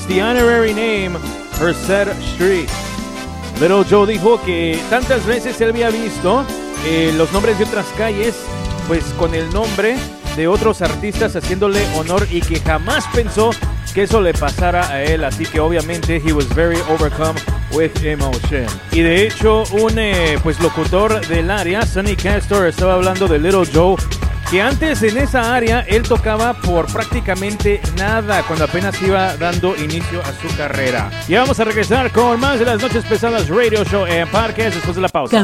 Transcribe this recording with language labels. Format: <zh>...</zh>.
<es>It's the honorary name, Herset Street. Little Joe dijo que tantas veces él había visto los nombres de otras calles, pues con el nombre de otros artistas haciéndole honor, y que jamás pensó que eso le pasara a él.</es> <en>Así que obviamente he was very overcome with emotion.</en> <es>Y de hecho un locutor del área, Sonny Castor, estaba hablando de Little Joe, que antes en esa área él tocaba por prácticamente nada cuando apenas iba dando inicio a su carrera. Y vamos a regresar con más de las Noches Pesadas Radio Show en Parques después de la pausa.</es>